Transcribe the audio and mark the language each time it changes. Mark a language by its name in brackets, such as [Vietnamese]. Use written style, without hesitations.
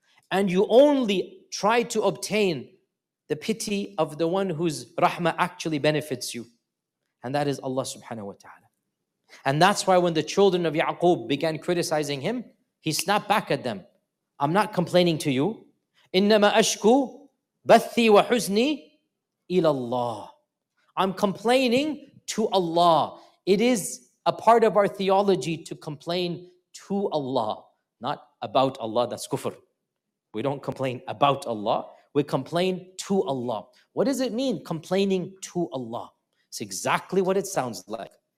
[English] And you only try to obtain the pity of the one whose rahmah actually benefits you. And that is Allah subhanahu wa ta'ala. And that's why when the children of Ya'qub began criticizing him, he snapped back at them. I'm not complaining to you. [Arabic] إِنَّمَا أَشْكُوا بَثِّي وَحُزْنِي إِلَى اللَّهِ [English] I'm complaining to Allah. It is a part of our theology to complain to Allah, not about Allah. That's kufr. We don't complain about Allah. We complain to Allah. What does it mean, complaining to Allah? It's exactly what it sounds like.